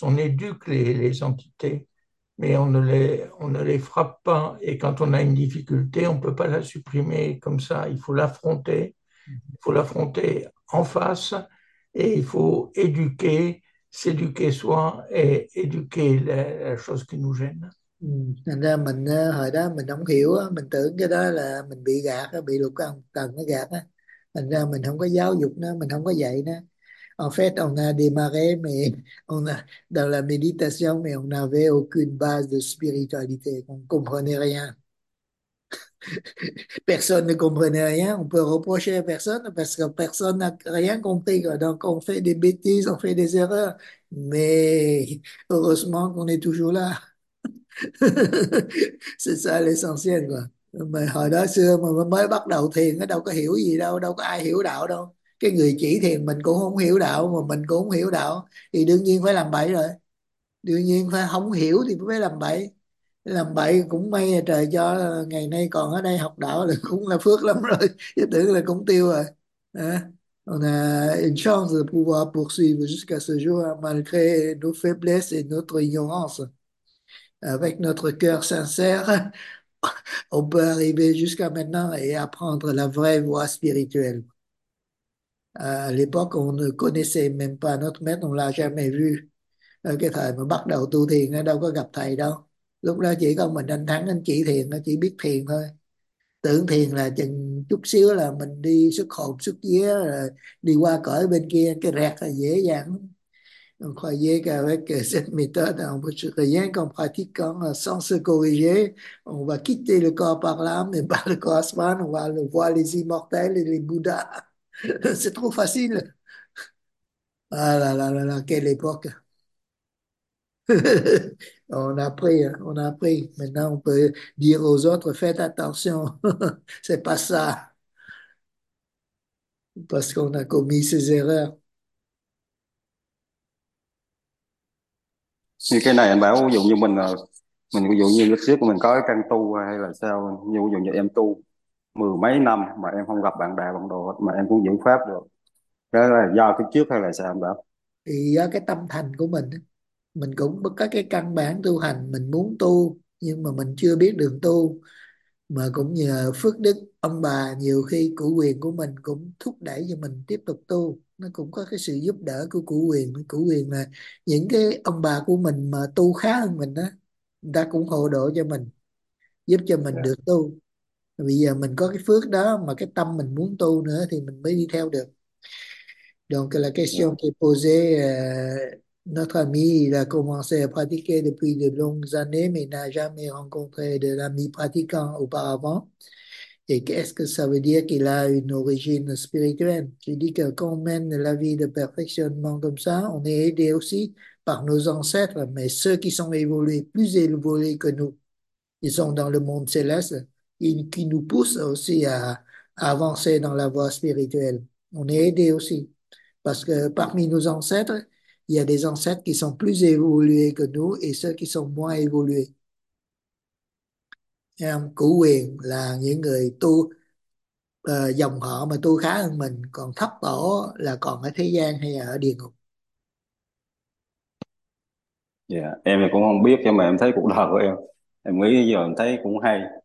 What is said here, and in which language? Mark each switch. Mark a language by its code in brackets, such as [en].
[fr] On éduque les entités, mais on ne les frappe pas. Et quand on a une difficulté, on ne peut pas la supprimer comme ça. Il faut l'affronter. Il faut l'affronter en face, et il faut éduquer, s'éduquer soi et éduquer la chose qui nous gêne. [vi] Thành ra mình hồi đó mình không hiểu, mình tưởng cái đó là mình bị gạt, bị lục căn tầng nó gạt á. Thành ra mình không có giáo dục nó, mình không có dạy nó. [fr] En fait, on a démarré, mais on a, dans la méditation, mais on n'avait aucune base de spiritualité. On ne comprenait rien. Personne ne comprenait rien. On peut reprocher à personne parce que personne n'a rien compris. Donc, on fait des bêtises, on fait des erreurs. Mais heureusement qu'on est toujours là. C'est ça l'essentiel quoi. Mais [vi] hồi đó xưa mà mới bắt đầu thiền nó đâu có hiểu gì đâu, đâu có ai hiểu đạo đâu. Cái người chỉ thiền mình cũng không hiểu đạo mà mình cũng không hiểu đạo thì đương nhiên phải làm bậy rồi. Đương nhiên phải không hiểu thì mới làm bậy. Làm bậy cũng may là trời cho ngày nay còn ở đây học đạo là cũng là phước lắm rồi, chứ tưởng là cũng tiêu rồi. [fr] À, on a une chance de pouvoir poursuivre jusqu'à ce jour malgré nos faiblesses et notre ignorance. Avec notre cœur sincère, on peut arriver jusqu'à maintenant et apprendre la vraie voie spirituelle. À l'époque, on ne connaissait même pas notre maître, on l'a jamais vu. [vi] À cái thời mà bắt đầu tu thiền, nó đâu có gặp thầy đâu. Lúc đó chỉ có mình anh Thắng, anh chỉ thiền, nó chỉ biết thiền thôi. Tưởng thiền là chừng chút xíu là mình đi xuất hồn, xuất vía, rồi đi qua cõi bên kia, cái rẹt là dễ dàng. [fr] On croyait qu'avec cette méthode, on ne peut rien qu'en pratiquant sans se corriger, on va quitter le corps par l'âme et par le corps astral, on va le voir les immortels et les Bouddhas. C'est trop facile. Ah là là là là, quelle époque. On a appris. Maintenant, on peut dire aux autres, faites attention. C'est pas ça. Parce qu'on a commis ces erreurs. [vi] Như cái này anh bảo ví dụ như mình ví dụ như lúc trước mình có cái căn tu hay là sao, như ví dụ như em tu mười mấy năm mà em không gặp bạn bè bạn đồ hết mà em cũng giữ pháp được, cái là do cái trước hay là sao anh bảo? Thì do cái tâm thành của mình cũng có cái căn bản tu hành, mình muốn tu nhưng mà mình chưa biết đường tu, mà cũng nhờ phước đức ông bà, nhiều khi cửu quyền của mình cũng thúc đẩy cho mình tiếp tục tu, nó cũng có cái sự giúp đỡ của cửu quyền là những cái ông bà của mình mà tu khá hơn mình đó, người ta cũng hộ độ cho mình, giúp cho mình được tu. Bây giờ mình có cái phước đó mà cái tâm mình muốn tu nữa thì mình mới đi theo được. [fr] Donc la question qui est posée, notre ami il a commencé à pratiquer depuis de longues années mais n'a jamais rencontré de l'ami pratiquant auparavant. Et qu'est-ce que ça veut dire qu'il a une origine spirituelle? Je dis que quand on mène la vie de perfectionnement comme ça, on est aidé aussi par nos ancêtres, mais ceux qui sont évolués, plus évolués que nous, ils sont dans le monde céleste, et qui nous poussent aussi à avancer dans la voie spirituelle. On est aidé aussi. Parce que parmi nos ancêtres, Il y a des ancêtres qui sont plus évolués que nous et ceux qui sont moins évolués. [vi] Cửu quyền là những người tu dòng họ mà tu khá hơn mình, còn thấp tổ là còn ở thế gian hay ở địa ngục. Em thì cũng không biết, nhưng mà em thấy cuộc đời của em nghĩ giờ em thấy cũng hay.